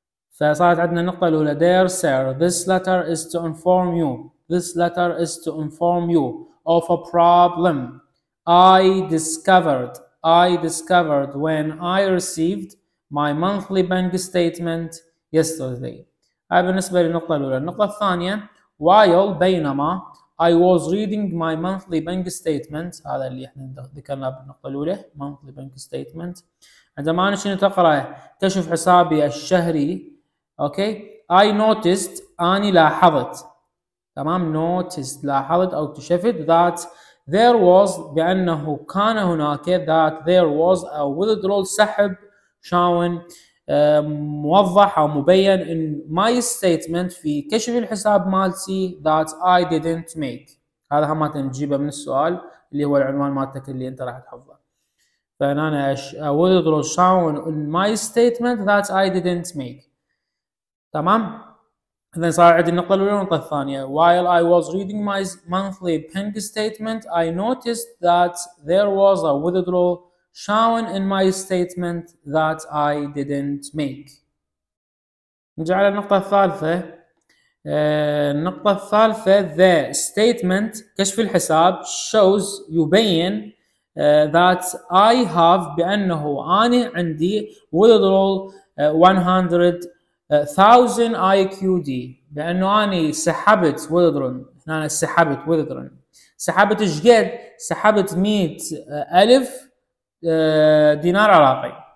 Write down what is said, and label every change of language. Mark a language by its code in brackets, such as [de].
[ar] فصارت عندنا النقطة الأولى [en] dear sir، this letter is to inform you، this letter is to inform you of a problem I discovered when I received my monthly bank statement yesterday. [ar] هاي بالنسبة للنقطة الأولى. النقطة الثانية while، بينما [en] I was reading my monthly bank statement، [ar] هذا اللي احنا ذكرناه بالنقطة الأولى [en] monthly bank statement، [ar] عندما أنا كنت أقرأ كشف حسابي الشهري. اوكي، [en] I noticed، [ar] أني لاحظت. [en] تمام، noticed [ar] لاحظت أو اكتشفت [en] that there was، [ar] بأنه كان هناك، [en] that there was a withdrawal [ar] سحب شاون موضح أو مبين [en] in my statement [ar] في كشف الحساب مالتي [en] that I didn't make. [ar] هذا هم تنجيبه من السؤال اللي هو العنوان مالتك اللي أنت راح تحفظه. [en] فأنا a withdrawal shown in my statement that I didn't make. [ar] تمام، اذا صار عندي النقطه الاولى والنقطه الثانيه. [en] While I was reading my monthly bank statement I noticed that there was a withdrawal shown in my statement that I didn't make. [ar] نجي على النقطه الثالثه. النقطه الثالثه [en] the statement [ar] كشف الحساب shows، يبين [en] that I have، [ar] بانه اني عندي [en] withdrawal 100 1000 IQD، [ar] لأنه أنا سحبت وذرن، أنا سحبت وذرن، سحبت شقد؟ سحبت 100,000 دينار عراقي.